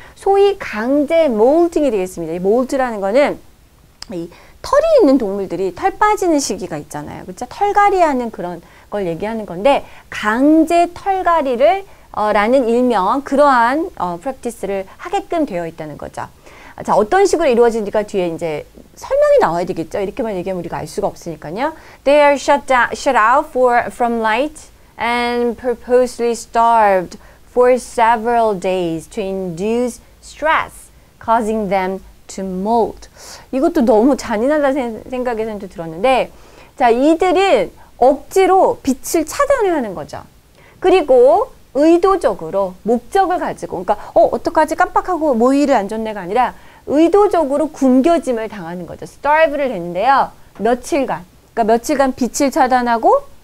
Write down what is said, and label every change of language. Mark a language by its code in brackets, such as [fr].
[ko] 소위 강제 몰딩이 되겠습니다. 이 몰드라는 거는 이 털이 있는 동물들이 털 빠지는 시기가 있잖아요. 그쵸? 털갈이하는 그런 걸 얘기하는 건데, 강제 털갈이를 라는 일명, 그러한 프랙티스를 하게끔 되어 있다는 거죠. 자, 어떤 식으로 이루어지니까 뒤에 이제 설명이 나와야 되겠죠. 이렇게만 얘기하면 우리가 알 수가 없으니까요. [en] They are shut out from light and purposely starved for several days to induce stress, causing them to molt. [ko] 이것도 너무 잔인하다 생각해서 들었는데, 자, 이들은 억지로 빛을 차단을 하는 거죠. 그리고 의도적으로 목적을 가지고, 그러니까 어떡하지 깜빡하고 뭐 일을 안 줬네가 아니라 의도적으로 굶겨짐을 당하는 거죠. starve를 했는데요. 며칠간, 그러니까 며칠간 빛을 차단하고